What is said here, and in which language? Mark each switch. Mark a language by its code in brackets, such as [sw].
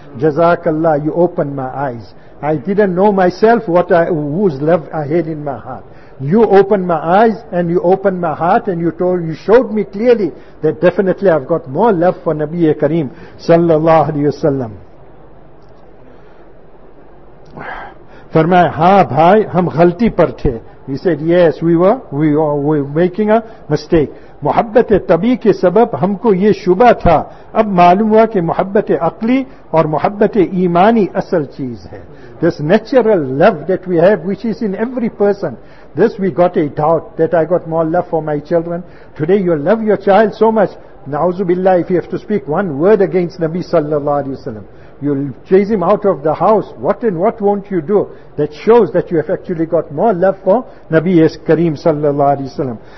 [en] Jazakallah, you opened my eyes. I didn't know myself whose love I had in my heart. You opened my eyes and you opened my heart and you showed me clearly that definitely I've got more love for Nabi Kareem sallallahu alayhi wa sallam. [ur] فرمایا, ہاں بھائی ہم غلطی پر تھے. [en] He said, yes, we were making a mistake. [ur] محبت طبیع کے سبب ہم کو یہ شبہ تھا, اب معلوم ہوا کہ محبت عقلی اور محبت ایمانی اصل چیز ہے. [en] This natural love that we have, which is in every person, this we got a doubt, that I got more love for my children. Today you love your child so much, Na'uzu billah, if you have to speak one word against Nabi sallallahu alayhi wasallam, you'll chase him out of the house. What and what won't you do? That shows that you have actually got more love for Nabi Kareem sallallahu alayhi wasallam.